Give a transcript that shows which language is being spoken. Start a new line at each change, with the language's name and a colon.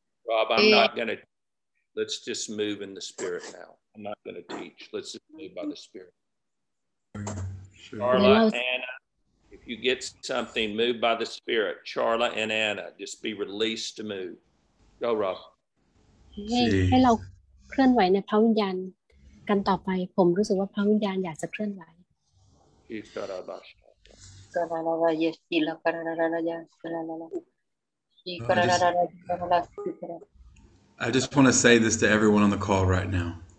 English: Rob I'm not gonna let's just move in the spirit now I'm not gonna teach let's just move by the spirit Charlotte Anna you get something moved by the Spirit, Charla and Anna, just be released to move. Go, Rob.
Thai: ให้เราเคลื่อนไหวในพระวิญญาณกันต่อไปผมรู้สึกว่าพระวิญญาณอยากจะเคลื่อนไหว กันอะไร เยสกันอะไรเยสกันอะไรเยสกันอะไร
English: I just want to say this to everyone on the call right now.